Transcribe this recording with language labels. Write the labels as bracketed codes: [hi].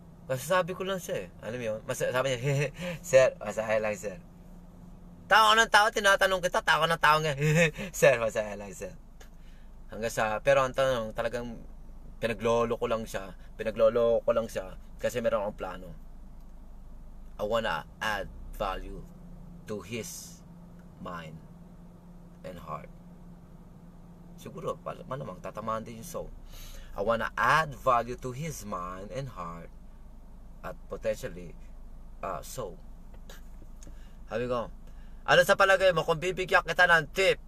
[tl] Masasabi ko lang siya eh. Alam niyo, sabi niya, sir, masaya lang, sir. Tawa ko ng tawa, tinatanong kita, tawa ko ng tawa nga. Sir, masaya lang, sir. Hanggang sa, pero ang tanong, talagang pinaglolo ko lang siya. Pinaglolo ko lang siya kasi meron akong plano. [en] I wanna add value to his mind and heart. [tl] Siguro, malamang tatamaan din yung soul. [en] I wanna add value to his mind and heart. At potentially, so. [tl] Sabi ko, ano sa palagay mo kung bibigyan kita ng tip?